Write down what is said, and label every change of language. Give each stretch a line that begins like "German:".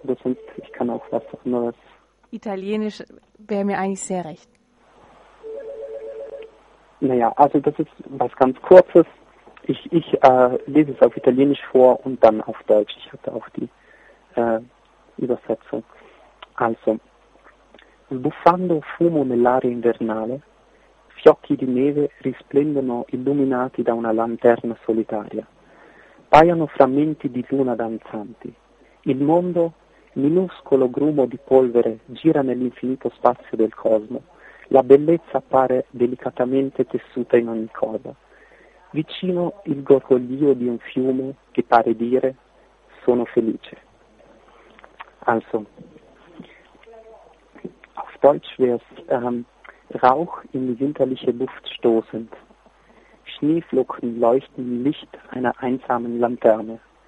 German: Oder sonst, ich kann auch was anderes. Italienisch wäre mir eigentlich sehr recht. Naja, also das ist was ganz Kurzes. Ich lese es auf Italienisch vor und dann auf Deutsch. Ich hatte auch die Übersetzung.
Italian: Also, sbuffando fumo nell'aria invernale, fiocchi di neve risplendono illuminati da una lanterna solitaria. Paiono frammenti di luna danzanti. Il mondo, minuscolo grumo di polvere, gira nell'infinito spazio del cosmo. La bellezza appare delicatamente tessuta in ogni cosa. Vicino il gorgoglio di un fiume che pare dire «Sono felice».
German: Also, auf Deutsch wär's Rauch in winterliche Luft stoßend. Schneeflocken leuchten im Licht einer einsamen Lanterne.